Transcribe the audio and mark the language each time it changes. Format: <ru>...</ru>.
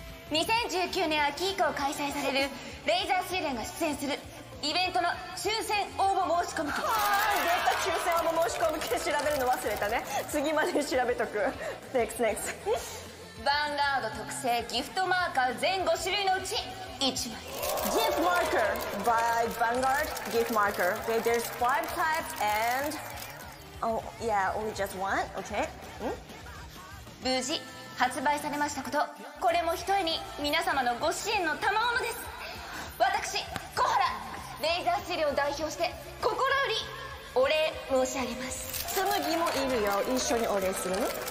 <ja>2019年秋以降開催されるレーザー水田が出演するイベントの抽選応募申し込み券。出た、抽選応募申し込み券。調べるの忘れたね。次まで調べとく。</ja> <en>Next, next。</en> <ja>ヴァンガード特製ギフトマーカー全5種類のうち1枚。</ja> <en>ギフトマーカー by Vanguard gift marker. Okay, there's five types and oh yeah, only just one. Okay.</en> <ja>無事発売されましたこと、これもひとえに皆様のご支援の賜物です。私小原レーザー水田を代表して心よりお礼申し上げます。紬もいるよ、一緒にお礼するね。</ja>